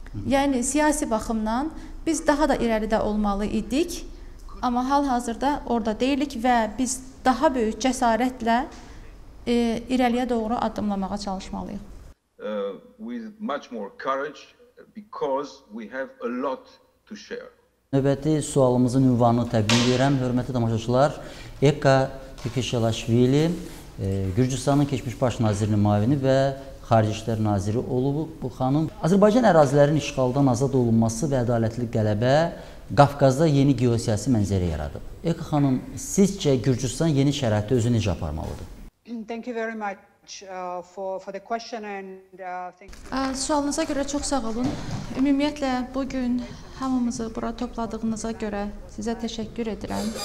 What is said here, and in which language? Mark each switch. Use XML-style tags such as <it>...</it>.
<az>Yəni, siyasi baxımdan biz daha da irəlidə olmalı idik, amma hal-hazırda orada deyilik və biz daha böyük cəsarətlə irəliyə doğru addımlamağa çalışmalıyıq.</az> <en>With much more courage because we have a lot to share.</en> <az>Növbəti sualımızın ünvanını təqdim edirəm. Hörmətli tamaşaçılar, Eka Tikişelaşvili Gürcüstanın keçmiş baş nazirinin müavini və Xarici İşlər naziri olub bu xanım. Azərbaycan ərazilərinin işğaldan azad olunması və ədalətli qələbə Qafqazda yeni geosiyasi mənzərə yaradıb. Eka xanım, sizcə Gürcüstan yeni şəraitdə özünü necə aparmalıdır?</az> <en>Thank you very much for the question and</en> <az>sualınıza görə çox sağ olun. Ümumiyyətlə bu gün hamımızı bura topladığınıza görə sizə təşəkkür edirəm.</az>